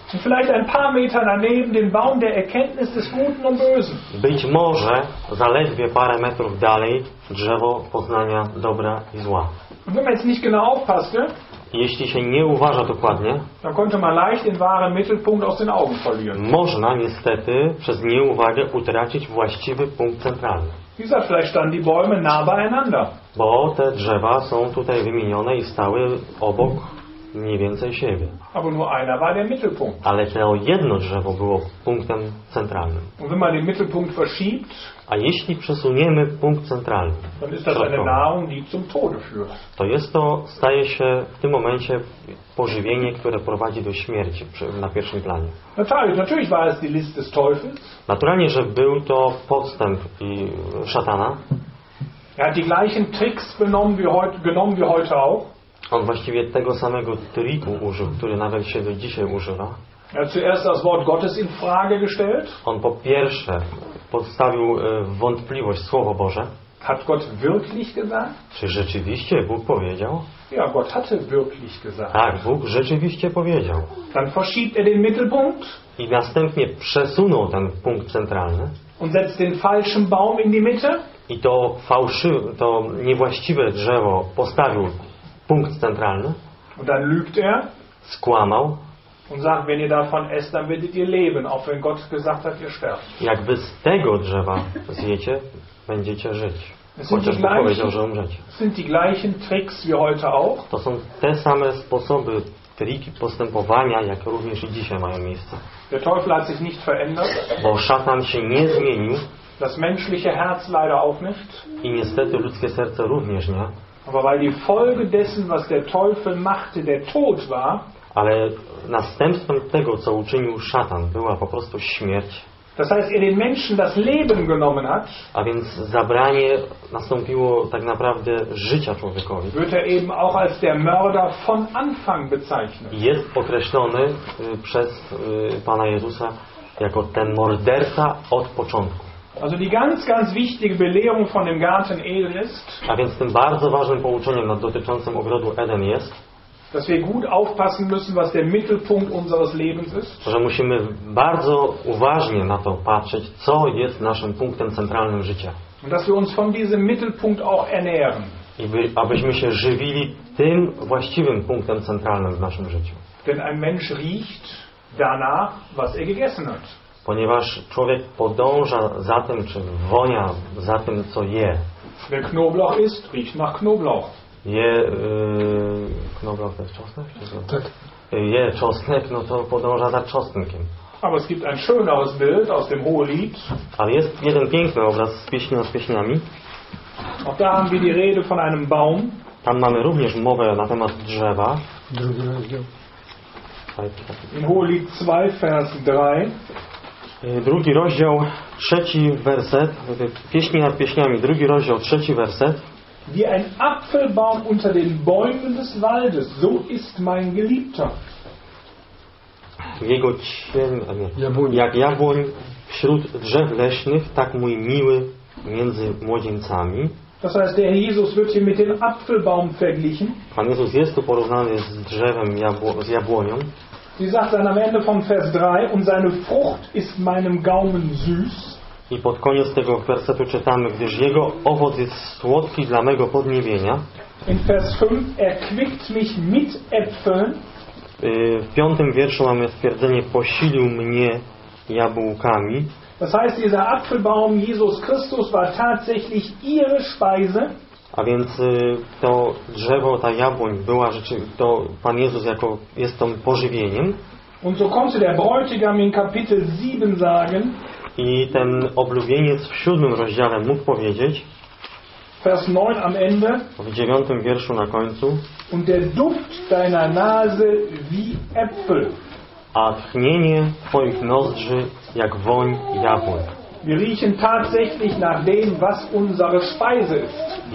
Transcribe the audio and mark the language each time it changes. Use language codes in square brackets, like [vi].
[de] Vielleicht ein paar Meter daneben den Baum der Erkenntnis des Guten und Bösen. [pl] Być może zaledwie parę metrów dalej drzewo poznania dobra i zła. [de] Wenn man jetzt nicht genau aufpasst, ne? [pl] Jeśli się nie uważa dokładnie, [de] dann konnte man leicht den wahren Mittelpunkt aus den Augen verlieren. [pl] Można niestety przez nieuwagę utracić właściwy punkt centralny. [de] Diese vielleicht standen die Bäume nah beieinander. [pl] Bo te drzewa są tutaj wymienione i stały obok mniej więcej siebie. [de] Aber nur einer war der Mittelpunkt. [pl] Ale to jedno drzewo było punktem centralnym. [de] Und wenn man den Mittelpunkt verschiebt, [pl] a jeśli przesuniemy punkt centralny, [de] dann ist das eine Nahrung, die zum Tode führt. [pl] To jest to, staje się w tym momencie pożywienie, które prowadzi do śmierci na pierwszym planie. [de] Natürlich war es die List des Teufels. [pl] Naturalnie, że był to podstęp i szatana. [de] Er hat die gleichen Tricks genommen wie heute auch. [pl] On właściwie tego samego triku użył, który nawet się do dzisiaj używa. [de] Er zuerst das Wort Gottes in Frage gestellt. [pl] On po pierwsze podstawił wątpliwość Słowo Boże. [de] Hat Gott wirklich gesagt? [pl] Czy rzeczywiście Bóg powiedział? [de] Ja, Gott hatte wirklich gesagt. [pl] Tak, Bóg rzeczywiście powiedział. [de] Dann verschiebt er den Mittelpunkt. [pl] I następnie przesunął ten punkt centralny. [de] Und setzt den falschen Baum in die Mitte. [pl] I to to niewłaściwe drzewo postawił punkt centralny. [de] Und dann lügt er. [pl] Skłamał. [de] Und sagt, wenn ihr davon esst, dann werdet ihr leben, auch wenn Gott gesagt hat, ihr sterbt. [pl] Jakby z tego drzewa zjecie, będziecie żyć. Chociaż Bóg powiedział, że umrzecie. [de] Sind die gleichen Tricks wie heute auch? [pl] To są te same sposoby, triki postępowania, jak również i dzisiaj mają miejsce. [de] Der Teufel hat sich nicht verändert. [pl] Bo szatan się nie zmienił. [de] Das menschliche Herz leider auch nicht. [pl] I niestety ludzkie serce również nie. [de] Aber weil die Folge dessen, was der Teufel machte, der Tod war. [pl] Ale następstwem tego, co uczynił szatan, była po prostu śmierć. [de] Das heißt, er den Menschen das Leben genommen hat. [pl] A więc zabranie nastąpiło tak naprawdę życia człowiekowi. [de] Wird er eben auch als der Mörder von Anfang bezeichnet. [pl] Jest określony przez Pana Jezusa jako ten morderca od początku. [de] Also die ganz, ganz wichtige Belehrung von dem Garten Eden ist. [pl] A więc tym bardzo ważnym pouczeniem dotyczącym ogrodu Eden jest. [de] Dass wir gut aufpassen müssen, was der Mittelpunkt unseres Lebens ist. [pl] Że musimy bardzo uważnie na to patrzeć, co jest naszym punktem centralnym życia. [de] Und dass wir uns von diesem Mittelpunkt auch ernähren. [pl] I abyśmy się żywili tym właściwym punktem centralnym w naszym życiu. [de] Denn ein Mensch riecht danach, was er gegessen hat. [pl] Ponieważ człowiek podąża za tym, czy wonia za tym, co je. [de] Wer Knoblauch isst, riecht nach Knoblauch. [pl] Je Knoblauch, to jest czosnek? Tak. Je czosnek, no to podąża za czosnkiem. [de] Aber es gibt ein schöneres Bild aus dem Hohelied. [pl] Ale jest jeden piękny obraz z Pieśni nad Pieśniami. [de] Auch da haben wir die Rede von einem Baum. [pl] Tam mamy również mowę na temat drzewa. Drugi rozdział. [de] Im Hohelied 2, Vers 3. [pl] Drugi rozdział, trzeci werset. Pieśni nad Pieśniami, drugi rozdział, trzeci werset. [de] Wie ein Apfelbaum unter den Bäumen des Waldes, so ist mein Geliebter. [pl] Jego cień, nie, jak jabłoń wśród drzew leśnych, tak mój miły między młodzieńcami. [de] Das heißt, der Jesus wird hier mit dem Apfelbaum verglichen. [pl] Pan Jezus jest tu porównany z drzewem, z jabłonią. [de] Sie sagt dann am Ende von Vers 3, und seine Frucht ist meinem Gaumen süß. [pl] I pod koniec tego wersetu czytamy, gdyż jego owoc jest słodki dla mego podniebienia. [de] In Vers 5 erquickt mich mit Äpfeln. [pl] W piątym wierszu mamy stwierdzenie, posilił mnie jabłkami. [de] Das heißt, dieser Apfelbaum Jesus Christus war tatsächlich ihre Speise. [pl] A więc to drzewo, ta jabłoń była rzeczy, to Pan Jezus jako jest tą pożywieniem. [de] Und so konnte der Bräutigam in Kapitel 7 sagen. [pl] I ten oblubieniec w siódmym rozdziale mógł powiedzieć. [de] Vers 9 am Ende. [pl] W dziewiątym wierszu na końcu. [de] Und der Duft deiner Nase wie Äpfel. [pl] A tchnienie twoich nozdrzy jak woń jabłek. [de] Wir riechen tatsächlich nach dem, was unsere Speise ist.